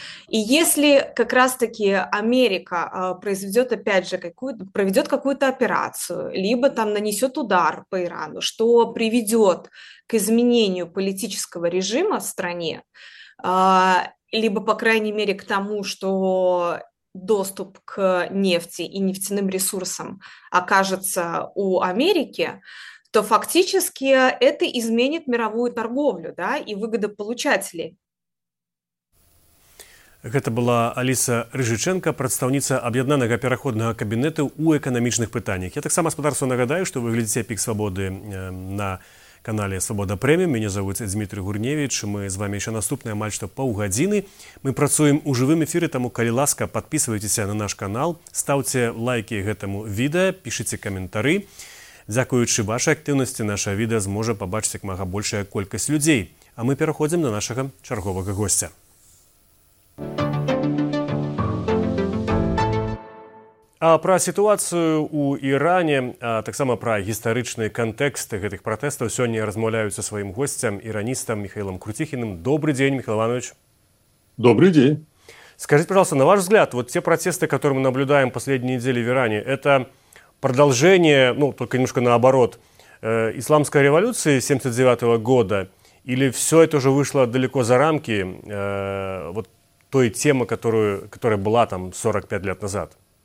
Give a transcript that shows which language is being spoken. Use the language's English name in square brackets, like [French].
[Russian] И если как раз-таки Америка произведет, опять же, проведет какую-то операцию, либо там нанесет удар по Ирану, что приведет к изменению политического режима в стране, либо, по крайней мере, к тому, что доступ к нефти и нефтяным ресурсам окажется у Америки, то фактически это изменит мировую торговлю, да, и выгодополучателей. [Belarusian] Гэта была Аліса Рыжыченка, прадстаўніца аб'яднанага пераходнага кабінету ў эканамічных пытаннях. Я таксама спадарства нагадаю, што вы глядзіце пік свабоды на канале Свабода Прэмі. Мяне завуць Дмітрый Гурневіч. Мы з вамі яшчэ наступныя амаль што паўгадзіны. Мы працуем у жывым эфіры, таму, калі ласка, падпісвайцеся на наш канал, стаўце лайкі гэтаму відэа, пішыце каментары. Дзякуючы вашай актыўнасці, наша відэа зможа пабачыць як мага большая колькасць людзей. А мы пераходзім на нашага чарговага госця. А пра сітуацыю ў Іране, а таксама пра гістарычны кантэкст гэтых пратэстаў сёння размаўляю са сваім госцем, іраністам Міхаілам Круціхіным. Добры дзень, Міхаіл Іванович. Добры дзень. Скажыце, [Russian] пожалуйста, на ваш взгляд, вот те пратэсты, которые мы наблюдаем последние недели в Иране, это продолжение, ну, только немножко наоборот, исламской революции 79-го года, или все это уже вышло далеко за рамки вот той темы, которая была там 45 лет назад?